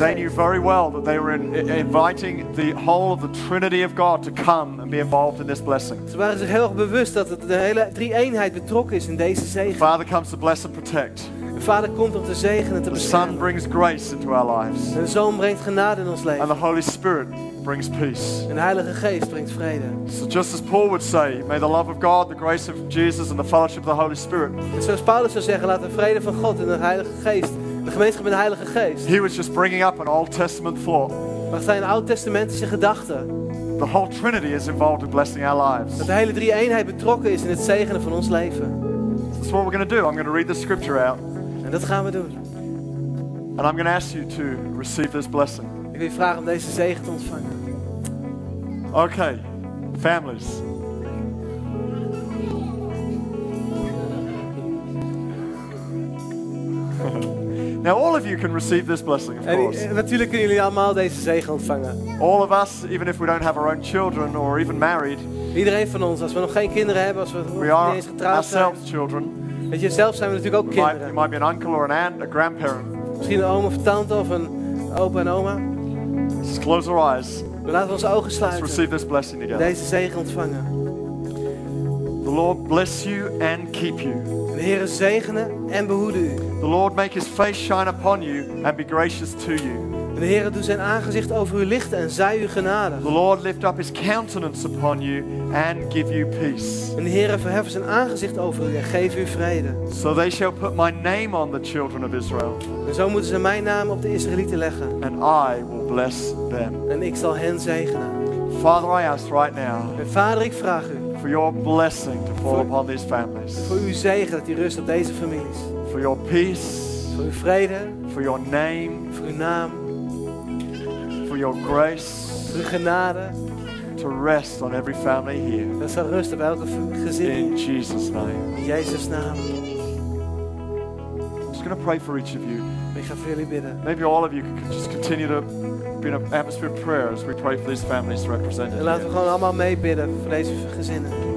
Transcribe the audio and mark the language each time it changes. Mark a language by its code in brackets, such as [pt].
[en] They knew very well that they were inviting the whole of the Trinity of God to come and be involved in this blessing. [nl] Ze waren zich heel erg bewust dat de hele drie-eenheid betrokken is in deze zegen. [en] The Father comes to bless and protect. [nl] De Vader komt om te zegenen en te beschermen. [en] The Son brings grace into our lives. [nl] En de Zoon brengt genade in ons leven. [en] And the Holy Spirit brings peace. [nl] En de Heilige Geest brengt vrede. [en] So just as Paul would say, may the love of God, the grace of Jesus and the fellowship of the Holy Spirit. [nl] Zoals Paulus zou zeggen, laat de vrede van God en de Heilige Geest, de gemeenschap met de Heilige Geest. [en] He was just bringing up an Old Testament thought. [nl] Maar het zijn een Oude Testamentische gedachten. [en] The whole Trinity is involved in blessing our lives. [nl] Dat de hele drie-eenheid betrokken is in het zegenen van ons leven. [en] That's what we're going to do. I'm going to read the scripture out. [nl] En dat gaan we doen. [en] And I'm going to ask you to receive this blessing. [nl] Ik wil je vragen om deze zegen te ontvangen. [en] Okay, families. Now all of you can receive this blessing, of course. [nl] En natuurlijk kunnen jullie allemaal deze zegen ontvangen. [en] All of us, even if we don't have our own children or even married. [nl] Iedereen van ons, als we nog geen kinderen hebben, als we niet eens getrouwd zijn. [en] We are ourselves children. [nl] Weet je, zelf zijn we natuurlijk ook kinderen. [en] You might be an uncle or an aunt, a grandparent. [nl] Misschien een oom of tante of een opa en oma. [en] Just close our eyes. [nl] Laten we onze ogen sluiten. [en] Let's receive this blessing together. [nl] Deze zegen ontvangen. [en] The Lord bless you and keep you. [nl] De Heer zegenen en behoede u. [en] The Lord make his face shine upon you and be gracious to you. [nl] De Heer doet zijn aangezicht over u lichten en zij u genadig. [en] The Lord lift up his countenance upon you and give you peace. [nl] De Heer verheft zijn aangezicht over u en geeft u vrede. [en] So they shall put my name on the children of Israel. [nl] En zo moeten ze mijn naam op de Israëlieten leggen. [en] And I will bless them. [nl] En ik zal hen zegenen. [en] Father, I ask right now. [nl] Vader, ik vraag u. [en] For your blessing to fall upon these families. [nl] Voor uw zegen dat die rust op deze families. [en] For your peace. [nl] Voor uw vrede. [en] For your name. [nl] Voor uw naam. [en] For your grace. [nl] Voor uw genade. [en] To rest on every family here. [nl] Dat zal rust op elke gezin. [en] In Jesus' name. [nl] In Jezus' naam. [en] I'm just going to pray for each of you. [nl] Ik ga voor jullie bidden. [en] Maybe all of you can just continue to be in an atmosphere of prayer as we pray for these families represented. [nl] En laten we gewoon allemaal mee bidden voor deze gezinnen.